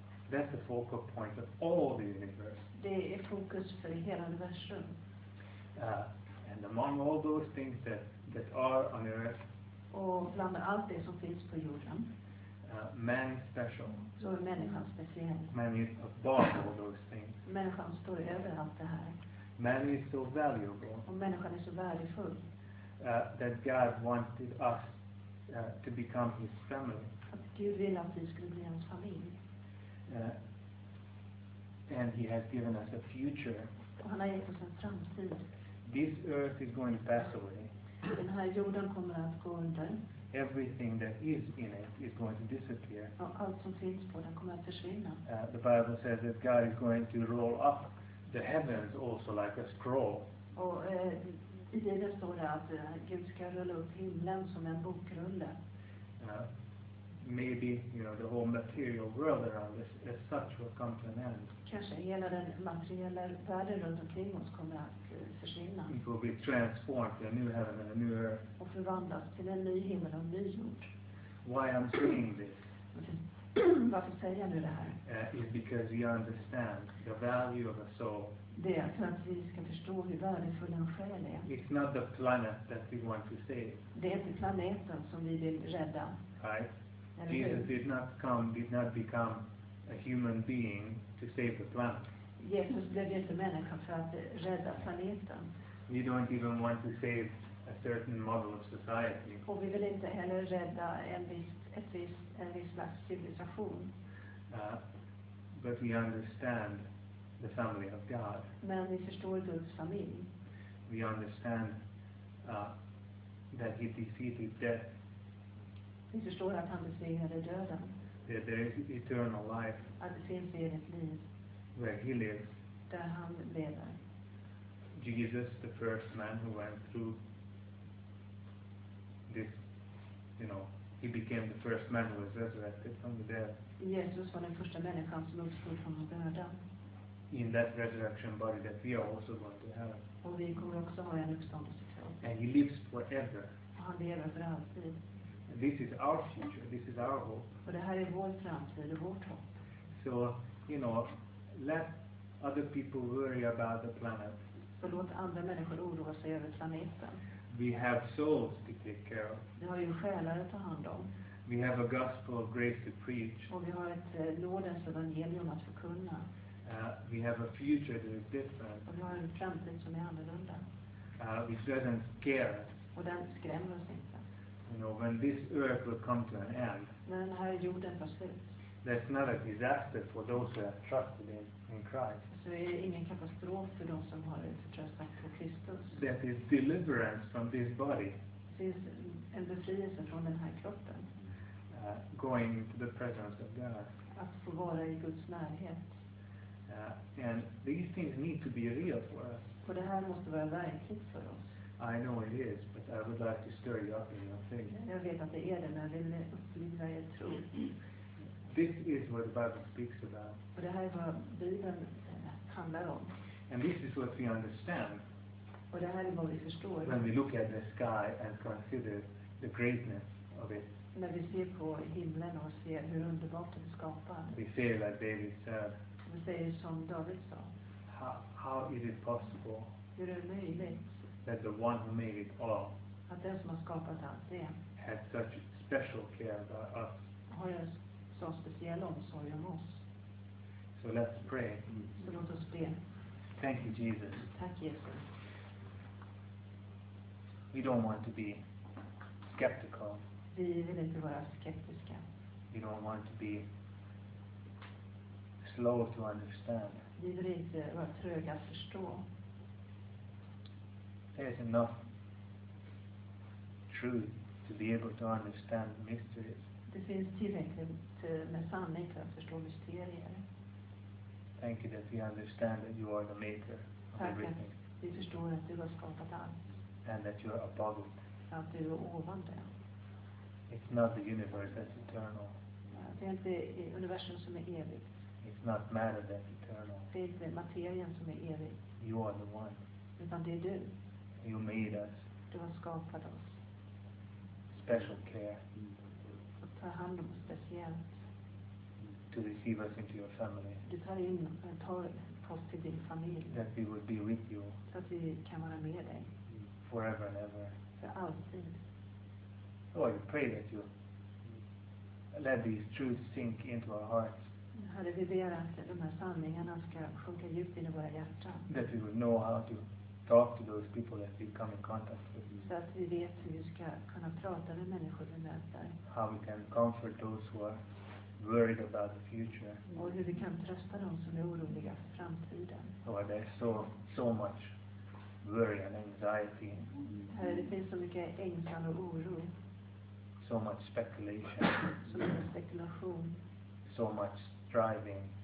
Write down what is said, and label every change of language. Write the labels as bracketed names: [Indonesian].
[English] That's the focal point of all the universe. [Swedish] Det är fokus för hela universum. [English] And among all those things that are on earth. [Swedish] Och bland allt det som finns på jorden. [English] Man is special. [Swedish] Så är människan speciell. [English] Man is above all those things. [Swedish] Människan står över allt det här. [English] Man is so valuable. [Swedish] Och människan är så värdefull. [English] That God wanted us to become His family. [Swedish] Att Gud vill att vi skulle bli hans familj. [English] And He has given us a future. [Swedish] Och han har gett oss en framtid. [English] This earth is going to pass away. [Swedish] Den här jorden kommer att gå under. [English] Everything that is in it is going to disappear. [Swedish] Och allt som finns på den kommer att försvinna. [English] The Bible says that God is going to roll up the heavens also like a scroll. [Swedish] Och i Bibeln står det att Gud ska rulla upp himlen som en bokrulle. [English] Maybe, you know, the whole material world around us as such will come to an end. [Swedish] Kanske hela den materiella världen runt omkring oss kommer att försvinna. [English] It will be transformed to a new heaven and a new earth. [Swedish] Och förvandlas till en ny himmel och en ny jord. [English] Why I'm saying this? [Swedish] Varför säger jag nu det här? [English] Is because we understand the value of a soul. [Swedish] Det är alltså att vi ska förstå hur värdefull en själ är. [English] It's not the planet that we want to save. [Swedish] Det är inte planeten som vi vill rädda. [English] Right. Jesus did not become a human being to save the planet. [Swedish] Jesus blev inte människa för att rädda planeten. [English] We don't even want to save a certain model of society. [Swedish] Och vi vill inte heller rädda en viss slags civilisation. [English] But we understand the family of God. [Swedish] Men vi förstår Guds familj. [English] We understand that he defeated death. [Swedish] Vi förstår att han besegrade döden. [English] That there is eternal life. [Swedish] Att det finns evigt liv. [English] Where he lives. [Swedish] Där han lever. [English] Jesus, the first man who went through this, you know, he became the first man who was resurrected from the dead. [Swedish] Jesus var den första människan som uppstod från de döda. [English] In that resurrection body that we are also going to have. [Swedish] Och vi kommer också ha en uppståndelsekropp. [English] And he lives forever. [Swedish] Och han lever för alltid. [English] This is our future. This is our hope. [Swedish] Och det här är vår framtid och vårt hopp. [English] So, you know, let other people worry about the planet. [Swedish] Så låt andra människor oroa sig över planeten. [English] We have souls to take care of. [Swedish] Vi har ju själar att ta hand om. [English] We have a gospel of grace to preach. [Swedish] Och vi har ett nådens evangelium att förkunna. [English] We have a future that is different. [Swedish] Och vi har en framtid som är annorlunda. [English] Which doesn't scare us. [Swedish] Och den skrämmer oss inte. [English] You know, when this earth will come to an end. [Swedish] När den här jorden tar slut. [English] That's not a disaster for those who have trusted in Christ. [Swedish] Så är det ingen katastrof för de som har förtröstat på Kristus. [English] That is deliverance from this body. [Swedish] Det finns en befrielse från den här kroppen. [English] Going into the presence of God. [Swedish] Att få vara i Guds närhet. [English] And these things need to be real for us. [Swedish] Och det här måste vara verkligt för oss. [English] I know it is, but I would like to stir you up in your faith. [Swedish] Jag vet att det är det, men jag vill uppliva er tro. [English] This is what the Bible speaks about. [Swedish] Och det här är vad Bibeln handlar om. [English] And this is what we understand. [Swedish] Och det här är vad vi förstår. [English] When we look at the sky and consider the greatness of it. [Swedish] När vi ser på himlen och ser hur underbart den är skapad. [English] We say like David said. [Swedish] Vi säger som David sa. [English] How is it possible? [Swedish] Hur är det möjligt? [English] That the one who made it all. [Swedish] Att den som har skapat allt det. [English] Had such special care about us. [Swedish] Har en så speciell omsorg om oss. [English] So let's pray. [Swedish] Så låt oss be. [English] Thank you, Jesus. [Swedish] Tack Jesus. [English] We don't want to be skeptical. [Swedish] Vi vill inte vara skeptiska. [English] We don't want to be slow to understand. [Swedish] Vi vill inte vara tröga att förstå. [English] There is enough truth to be able to understand mysteries. [Swedish] Det finns tillräckligt med sanning för att förstå mysterier. [English] Thank you that we understand that you are the maker of everything. [Swedish] Vi förstår att du har skapat allt. [English] And that you are above it. [Swedish] Att du är ovan det. [English] It's not the universe that's eternal. [Swedish] Det är inte universum som är evigt. [English] It's not matter that's eternal. [Swedish] Det är inte materien som är evig. [English] You are the one. [Swedish] Utan det är du. [English] You made us. [Swedish] Du har skapat oss. [English] Special care. [Swedish] Och ta hand om oss speciellt. [English] To receive us into your family. [Swedish] Du tar oss till din familj. [English] That we would be with you. [Swedish] Så att vi kan vara med dig. [English] Forever and ever. [Swedish] För alltid. [English] Lord, we pray that you let these truths sink into our hearts. [Swedish] Herre, vi ber att de här sanningarna ska sjunka djupt in i våra hjärtan. [English] That we would know how to talk to those people that we come in contact with. [Swedish] Så att vi vet hur vi ska kunna prata med människor vi möter. [English] How we can comfort those who are worried about the future. [Swedish] Och hur vi kan trösta dem som är oroliga för framtiden. [English] Lord, there's so much worry and anxiety. [Swedish] Herre, det finns så mycket ängslan och oro. [English] So much speculation. [Swedish] Så mycket spekulation. [English] So much striving.